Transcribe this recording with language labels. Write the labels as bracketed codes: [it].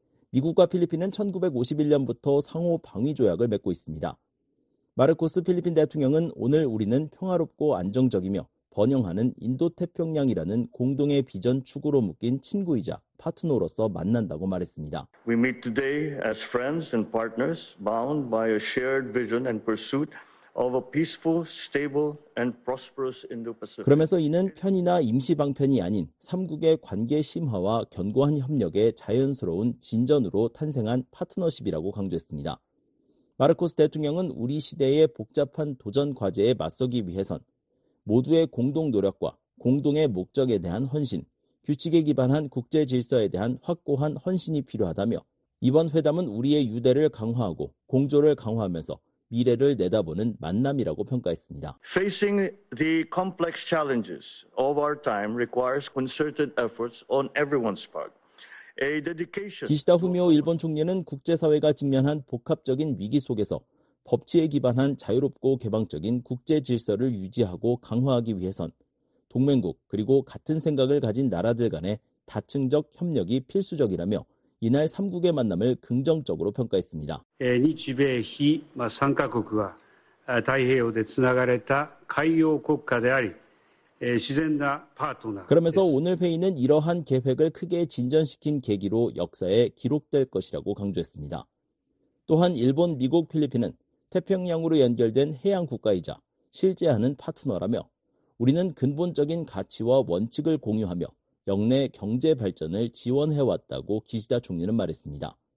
[ko] 미국과 필리핀은 1951년부터 상호 방위 조약을 맺고 있습니다. 마르코스 필리핀 대통령은 오늘 우리는 평화롭고 안정적이며 번영하는 인도태평양이라는 공동의 비전 축으로 묶인 친구이자 파트너로서 만난다고 말했습니다. [en] We meet today as friends and partners bound by a shared vision and pursuit of a peaceful, stable and prosperous Indo-Pacific. [ko] 그러면서 이는 편이나 임시방편이 아닌 3국의 관계 심화와 견고한 협력의 자연스러운 진전으로 탄생한 파트너십이라고 강조했습니다. 마르코스 대통령은 우리 시대의 복잡한 도전 과제에 맞서기 위해선 모두의 공동 노력과 공동의 목적에 대한 헌신, 규칙에 기반한 국제 질서에 대한 확고한 헌신이 필요하다며 이번 회담은 우리의 유대를 강화하고 공조를 강화하면서 미래를 내다보는 만남이라고 평가했습니다. [en] Facing the complex challenges of our time requires concerted efforts on everyone's part. [ko] 기시다 후미오 일본 총리는 국제사회가 직면한 복합적인 위기 속에서 법치에 기반한 자유롭고 개방적인 국제 질서를 유지하고 강화하기 위해선 동맹국 그리고 같은 생각을 가진 나라들 간의 다층적 협력이 필수적이라며 이날 3국의 만남을 긍정적으로 평가했습니다. [ja] 日米非 3カ国は 太平洋でつながれた海洋国家であり 自然な [ko] 파트너. 그러면서 오늘 회의는 이러한 계획을 크게 진전시킨 계기로 역사에 기록될 것이라고 강조했습니다. 또한 일본, 미국, 필리핀은 태평양으로 연결된 해양 국가이자 실제하는 파트너라며 우리는 근본적인 가치와 원칙을 공유하며 역내 경제 발전을 지원해왔다고 기시다 총리는 말했습니다.